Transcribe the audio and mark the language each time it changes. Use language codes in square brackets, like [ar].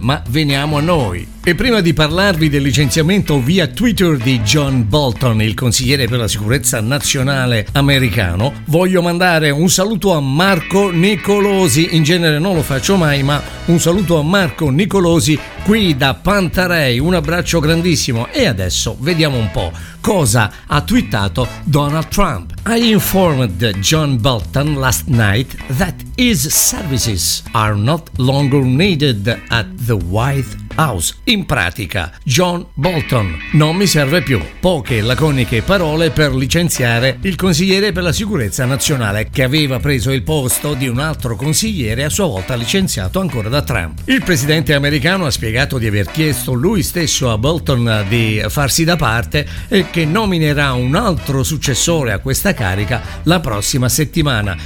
[it] Ma veniamo a noi. E prima di parlarvi del licenziamento via Twitter di John Bolton, il consigliere per la sicurezza nazionale americano, voglio mandare un saluto a Marco Nicolosi. In genere non lo faccio mai, ma un saluto a Marco Nicolosi qui da Pantarei. Un abbraccio grandissimo. E adesso vediamo un po' cosa ha twittato Donald Trump. [en] I informed John Bolton last night that his services are not longer needed at the White House. [it] In pratica, John Bolton non mi serve più. Poche laconiche parole per licenziare il consigliere per la sicurezza nazionale, che aveva preso il posto di un altro consigliere a sua volta licenziato ancora da Trump. Il presidente americano ha spiegato di aver chiesto lui stesso a Bolton di farsi da parte e che nominerà un altro successore a questa carica la prossima settimana.